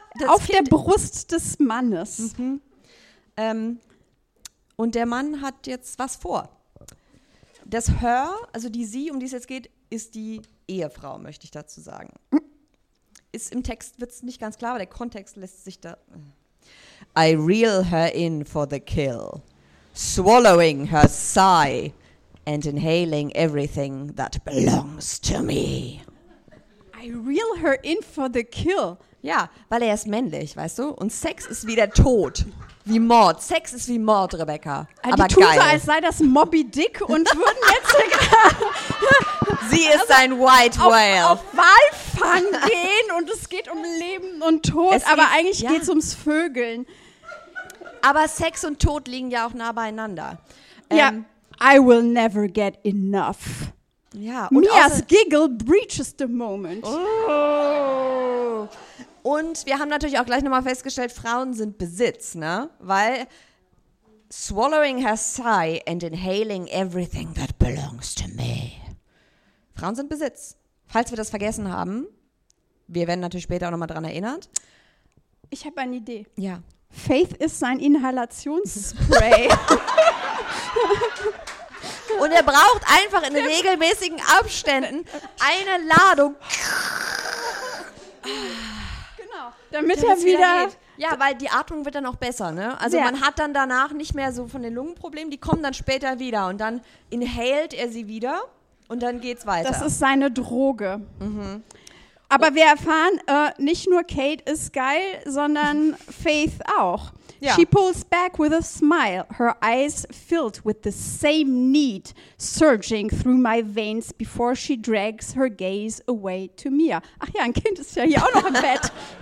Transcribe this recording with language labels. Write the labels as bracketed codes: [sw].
[de] das auf kind der Brust des Mannes. Mhm. Und der Mann hat jetzt was vor. Das Her, also die Sie, um die es jetzt geht, ist die Ehefrau, möchte ich dazu sagen. Ist im Text, wird es nicht ganz klar, aber der Kontext lässt sich da... [en] I reel her in for the kill, swallowing her sigh and inhaling everything that belongs to me. I reel her in for the kill. [de] Ja, weil er ist männlich, weißt du? Und Sex ist wie der Tod, wie Mord. Sex ist wie Mord, Rebecca. Die aber tun geil. So, als sei das Moby Dick und würden jetzt... Sie ist also ein White Whale. Auf Walfang gehen und es geht um Leben und Tod, eigentlich geht es ums Vögeln. Aber Sex und Tod liegen ja auch nah beieinander. [en] Ja, I will never get enough. [de] Ja, [en] und Mias giggle breaches the moment. Oh. [de] Und wir haben natürlich auch gleich nochmal festgestellt, Frauen sind Besitz, ne? [en] Weil swallowing her sigh and inhaling everything that belongs to me. [de] Frauen sind Besitz. Falls wir das vergessen haben, wir werden natürlich später auch nochmal dran erinnert. Ich habe eine Idee. Ja. Faith ist sein Inhalationsspray. Und er braucht einfach in regelmäßigen Abständen eine Ladung. Genau, damit er wieder geht. Ja, weil die Atmung wird dann auch besser, ne? Also man hat dann danach nicht mehr so von den Lungenproblemen, die kommen dann später wieder und dann inhalt er sie wieder und dann geht's weiter. Das ist seine Droge. Mhm. Aber wir erfahren, nicht nur Kate ist geil, sondern Faith auch. Ja. [en] She pulls back with a smile, her eyes filled with the same need surging through my veins before she drags her gaze away to Mia. [de] Ach ja, ein Kind ist ja hier auch noch im Bett.